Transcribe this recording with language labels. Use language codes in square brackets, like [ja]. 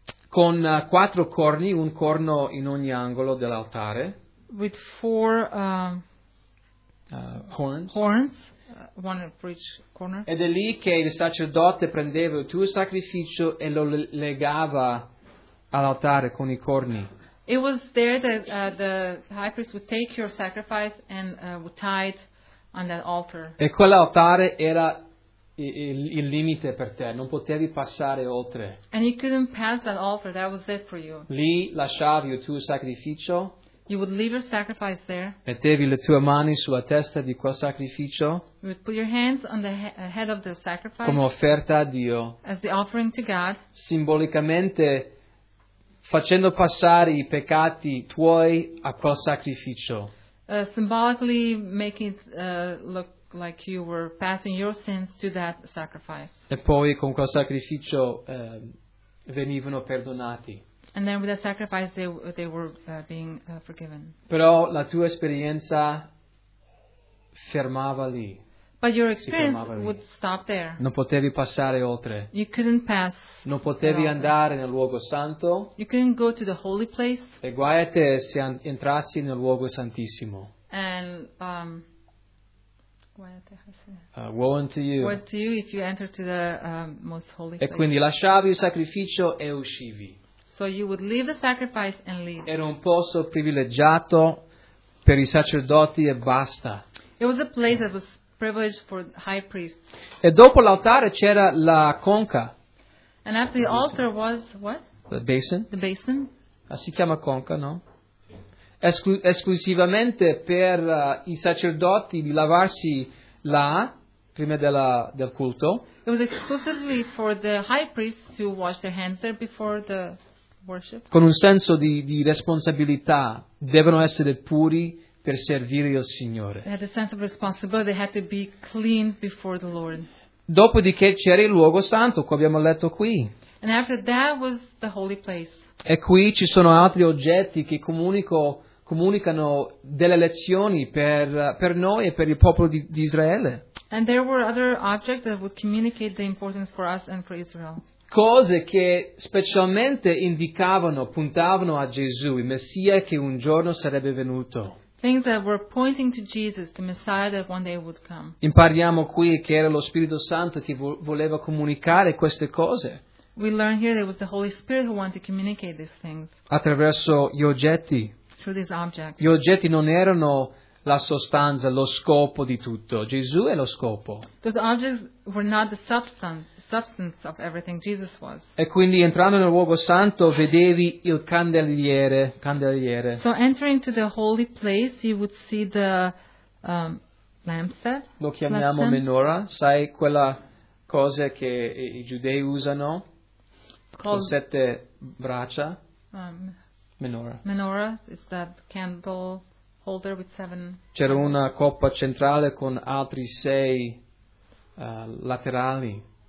[it] Con quattro corni, un corno in ogni angolo dell'altare. [en] With four horns, one for each corner. [it] Ed è lì che il sacerdote prendeva il tuo sacrificio e lo legava all'altare con i corni. [en] It was there that the high priest would take your sacrifice and would tie it on that altar. [it] E quell'altare era il limite per te, non potevi passare oltre. [en] And you couldn't pass that altar, that was it for you. [it] Lì lasciavi il tuo sacrificio. [en] You would leave your sacrifice there. [it] Mettevi le tue mani sulla testa di quel sacrificio. [en] You would put your hands on the head of the sacrifice. [it] Come offerta a Dio. [en] As the offering to God. [it] Simbolicamente facendo passare i peccati tuoi a quel sacrificio. [en] Symbolically making it look like you were passing your sins to that sacrifice. [it] E poi con quel sacrificio venivano perdonati. [en] And then with the sacrifice they were being forgiven. [it] Però la tua esperienza fermava lì. [en] But your experience would stop there. [it] Non potevi passare oltre. [en] You couldn't pass. [it] Non potevi andare nel luogo santo. [en] You couldn't go to the holy place. [it] E guai a te se entrassi nel luogo santissimo. [en] And woe unto you. Woe to you if you enter to the most holy place. [it] E quindi lasciavi il sacrificio e uscivi. [en] So you would leave the sacrifice and leave. [it] Era un posto privilegiato per i sacerdoti e basta. [en] It was a place that was privileged for high priests. [it] E dopo l'altare c'era la conca. [en] And after the altar was what? The basin. The basin. [it] Ah, si chiama conca, no? Esclusivamente per i sacerdoti di lavarsi là prima del culto. [en] It was exclusively for the high priests to wash their hands there before the worship. [it] Con un senso di responsabilità, devono essere puri per servire il Signore. [en] They had a sense of responsibility, they had to be clean before the Lord. [it] Dopodiché c'era il luogo santo, come abbiamo letto qui. [en] And after that was the holy place. [it] E qui ci sono altri oggetti che comunicano delle lezioni per noi e per il popolo di Israele. [en] And there were other objects that would communicate the importance for us and for Israel. [it] Cose che specialmente indicavano, puntavano a Gesù, il Messia che un giorno sarebbe venuto. [en] Things that were pointing to Jesus, the Messiah that one day would come. [it] Impariamo qui che era lo Spirito Santo che voleva comunicare queste cose. [en] We learn here that it was the Holy Spirit who wanted to communicate these things. [it] Attraverso gli oggetti. [en] Through these objects. [it] Gli oggetti non erano la sostanza, lo scopo di tutto. Gesù è lo scopo. [en] Those objects were not the substance of everything Jesus was. [it] E quindi entrando nel luogo santo vedevi il candeliere. [en] So entering to the holy place you would see the lampstand. [it] Lo chiamiamo menorah, sai quella cosa che i giudei usano? [en] It's called [it] con sette braccia. Menorah. [en] Menorah is that candle holder with seven. [it] C'era una coppa centrale con altri sei laterali.